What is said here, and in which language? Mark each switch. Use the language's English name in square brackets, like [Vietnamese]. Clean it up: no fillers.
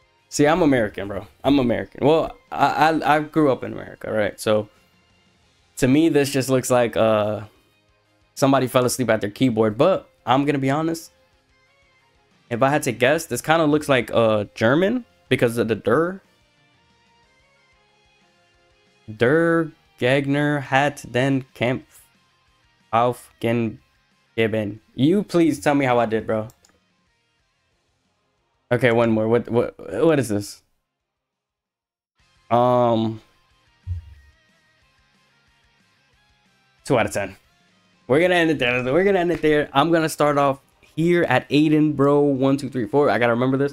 [English] See, I'm American, bro. I'm American. Well, I grew up in America, right? So, to me, this just looks like somebody fell asleep at their keyboard. But I'm going to be honest. If I had to guess, this kind of looks like German because of the Der. [German] Der Gegner hat den Kampf auf den Geben. [English] You please tell me how I did, bro. Okay, one more. What is this? Two out of 10. We're gonna end it there. I'm gonna start off here at Aiden, bro. 1, 2, 3, 4. I gotta remember this.